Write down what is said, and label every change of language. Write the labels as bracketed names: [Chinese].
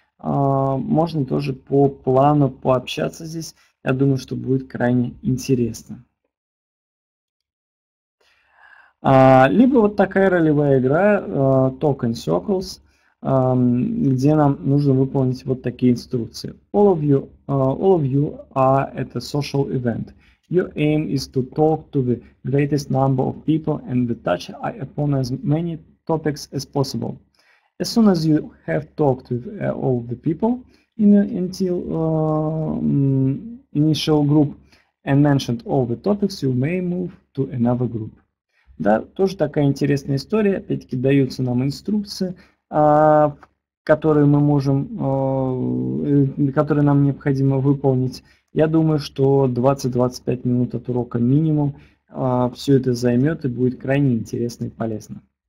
[Russian] Можно тоже по плану пообщаться здесь. Я думаю, что будет крайне интересно. Либо вот такая ролевая игра Talk in Circles, где нам нужно выполнить вот такие инструкции. [English] All of you are at a social event. Your aim is to talk to the greatest number of people and to touch upon as many topics as possible. As soon as you have talked with all the people in until initial group and mentioned all the topics, you may move to another group. [Russian] Да, тоже такая интересная история. Опять-таки даются нам инструкции, которые мы можем, которые нам необходимо выполнить. Я думаю, что 20-25 минут от урока минимум все это займет и будет крайне интересно и полезно.